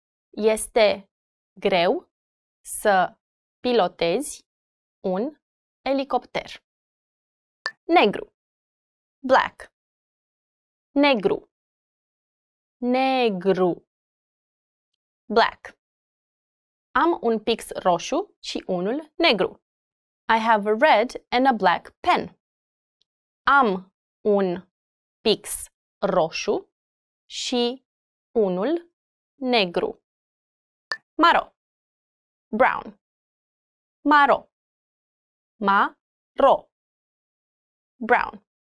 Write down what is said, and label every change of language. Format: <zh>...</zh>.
<ro>Este greu să pilotezi un helicopter. Negru.</ro> <en>Black.</en> <ro>Negru. Negru.</ro> <en>Black.</en> <ro>Am un pix roșu și unul negru.</ro> <en>I have a red and a black pen.</en> <ro>Am un pix roșu și unul negru. Maro.</ro> <en>Brown.</en> <ro>Maro. Maro.</ro> <en>Brown.</en>